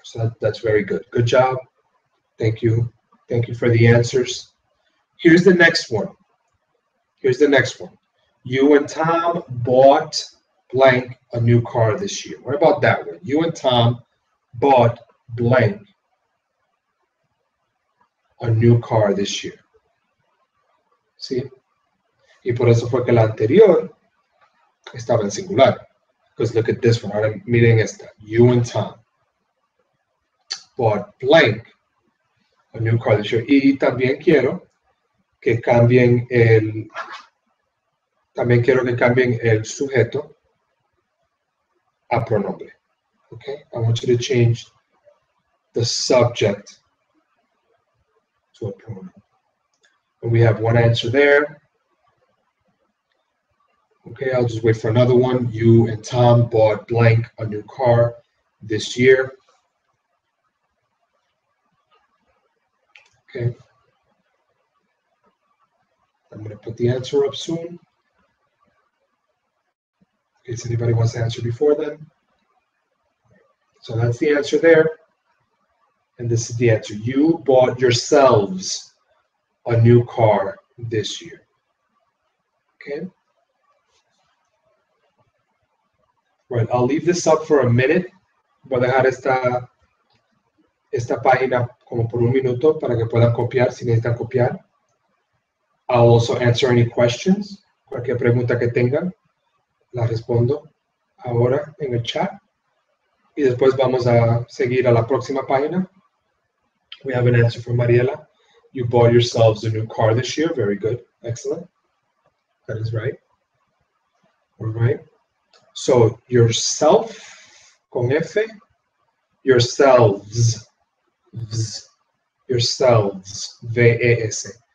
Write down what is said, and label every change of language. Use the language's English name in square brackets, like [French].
[English] So that's very good. Good job. Thank you. Thank you for the answers. Here's the next one. Here's the next one. You and Tom bought blank a new car this year. What about that one? You and Tom bought blank a new car this year. [Spanish] ¿Sí? Y por eso fue que la anterior estaba en singular. [English] Because look at this one. [Spanish] Ahora miren esta. [English] You and Tom bought blank a new car this year. [Spanish] Y también quiero que cambien el... También quiero que cambien el sujeto a pronombre. [English] Okay? I want you to change the subject to a pronoun. And we have one answer there. Okay, I'll just wait for another one. You and Tom bought blank a new car this year. Okay. I'm going to put the answer up soon. In case anybody wants to answer before then. So that's the answer there. And this is the answer. You bought yourselves a new car this year. Okay? Right, I'll leave this up for a minute. [Spanish] Voy a dejar esta página como por un minuto para que puedan copiar, si necesitan copiar. [English] I'll also answer any questions, [Spanish] cualquier pregunta que tengan. La respondo ahora en el chat. Y después vamos a seguir a la próxima página. [English] We have an answer from Mariela. You bought yourselves a new car this year. Very good. Excellent. That is right. All right. So, yourself, con F, yourselves, vz, yourselves, V-E-S.